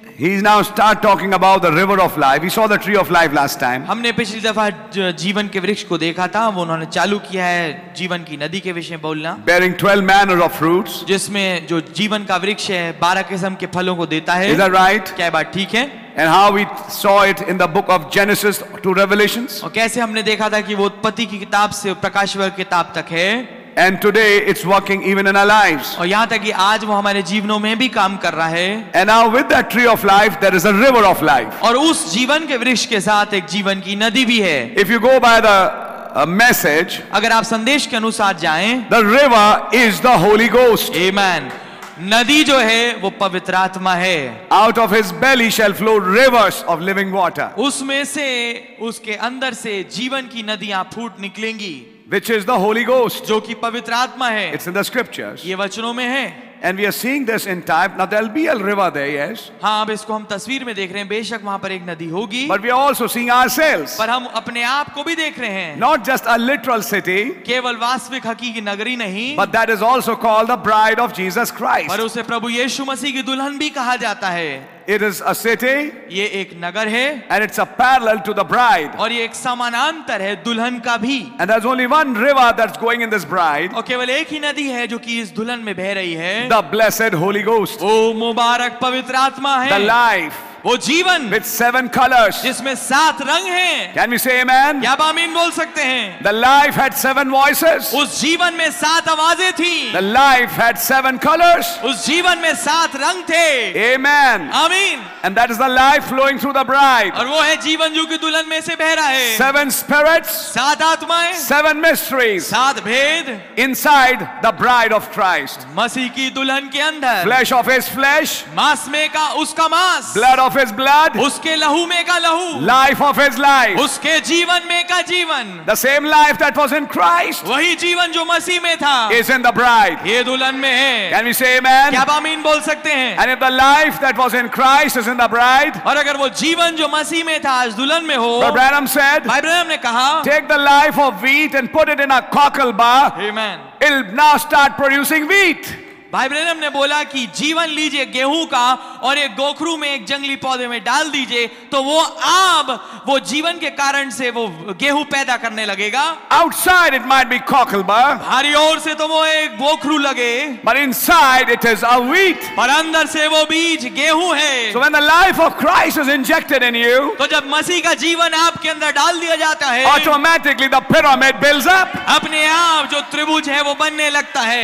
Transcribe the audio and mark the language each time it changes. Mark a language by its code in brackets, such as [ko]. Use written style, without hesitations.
[en] He is now start talking about the river of life. We saw the tree of life last time. [hi] हमने पिछली दफा जीवन के वृक्ष को देखा था. वो उन्होंने चालू किया है जीवन की नदी के विषय में बोलना. [en] Bearing 12 manner of fruits. [hi] जिसमें जो जीवन का वृक्ष है 12 किस्म के फलों को देता है. [en] Is that right? [hi] क्या बात ठीक है? [en] And how we saw it in the book of Genesis to Revelations. [hi] और कैसे हमने देखा था कि वो उत्पत्ति की किताब से प्रकाशित किताब तक है. [en] And today it's working even in our lives. [hi] और यहाँ तक कि आज वो हमारे जीवनों में भी काम कर रहा है. [en] And now with that tree of life, there is a river of life. [hi] और उस जीवन के वृक्ष के साथ एक जीवन की नदी भी है. [en] If you go by the message, [hi] अगर आप संदेश के अनुसार जाएं, [en] the river is the Holy Ghost. Amen. [hi] नदी जो है वो पवित्र आत्मा है. [en] Out of his belly shall flow rivers of living water. [hi] उसमें से उसके अंदर से जीवन की नदियाँ फूट निकलेंगी. [en] Which is the Holy Ghost. [hi] जो कि पवित्र आत्मा है. [en] It's in the scriptures. [hi] ये वचनों में है. [en] And we are seeing this in type. Now there'll be a river there, yes. [hi] हाँ, अब इसको हम तस्वीर में देख रहे हैं. बेशक वहाँ पर एक नदी होगी. [en] But we are also seeing ourselves. [hi] पर हम अपने आप को भी देख रहे हैं. [en] Not just a literal city. [hi] केवल वास्तविक हकीकी नगरी नहीं. [en] But that is also called the bride of Jesus Christ. [hi] पर उसे प्रभु यीशु मसीह की दुल्हन भी कहा जाता है. [en] It is a city. [hi] ये एक नगर है. [en] And it's a parallel to the bride. [hi] और ये एक समानांतर है दुल्हन का भी. [en] And there's only one river that's going in this bride. [hi] और केवल एक ही नदी है जो कि इस दुल्हन में बह रही है. [en] The blessed Holy Ghost. [hi] ओ मुबारक पवित्र आत्मा है. [en] The life. [hi] वो जीवन. [en] With seven colors. [hi] जिसमें सात रंग हैं. [en] Can we say amen? [hi] क्या आमीन बोल सकते हैं? [en] The life had seven voices. [hi] उस जीवन में सात आवाजें थी. [en] The life had seven colors. [hi] उस जीवन में सात रंग थे. [en] Amen. [hi] आमीन. [en] And that is the life flowing through the bride. [hi] और वो है जीवन जो कि दुल्हन में से बह रहा है. [en] Seven spirits. [hi] सात आत्माएं. [en] Seven mysteries. [hi] सात भेद. [en] Inside the bride of Christ. [hi] मसीह की दुल्हन के अंदर. [en] Flesh of his flesh. [hi] मांस में का उसका मांस. [en] Blood of his blood. [hi] उसके लहू में का लहू. [en] Life of his life. [hi] उसके जीवन में का जीवन. [en] The same life that was in Christ. [hi] वही जीवन जो मसीह में था. [en] Is in the bride. [hi] ये दुल्हन में है. [en] Can we say amen? [hi] क्या आमीन बोल सकते हैं? [en] And if the life that was in Christ is in the bride. [hi] और अगर वो जीवन जो मसीह में था आज दुल्हन में हो. [en] Abraham said. [hi] भाई ब्रैनम ने कहा. [en] Take the life of wheat and put it in a cockle bar. Amen. It'll now start producing wheat. [hi] भाई ब्रैनम ने बोला कि जीवन लीजिए गेहूं का और एक गोखरू में एक जंगली पौधे में डाल दीजिए तो वो आप वो जीवन के कारण से वो गेहूं पैदा करने लगेगा. [en] Outside it might be cockle bar. [hi] भारी ओर से तो वो एक गोखरू लगे. [en] But inside it is a wheat. [hi] पर अंदर से वो बीज गेहूं है. [en] So when the life of Christ is injected in you. [hi] तो जब मसीह का जीवन आपके अंदर डाल दिया जाता है. [en] Automatically the pyramid builds up. [hi] अपने आप जो त्रिभुज है वो बनने लगता है.